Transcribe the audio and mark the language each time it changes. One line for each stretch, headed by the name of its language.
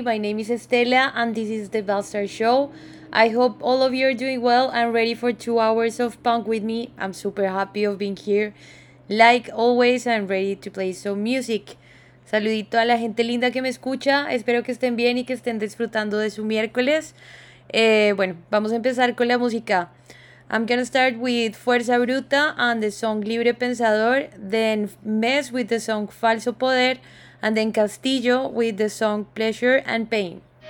English: My name is Stella and this is the Bastart Show. I hope all of you are doing well and ready for 2 hours of punk with me. I'm super happy of being here. Like always, I'm ready to play some music.
Spanish: Saludito a la gente linda que me escucha. Espero que estén bien y que estén disfrutando de su miércoles. Bueno, vamos a empezar con la música.
English: I'm gonna start with Fuerza Bruta and the song Libre Pensador, then Mess with the song Falso Poder, and then Castillo with the song Pleasure and Pain.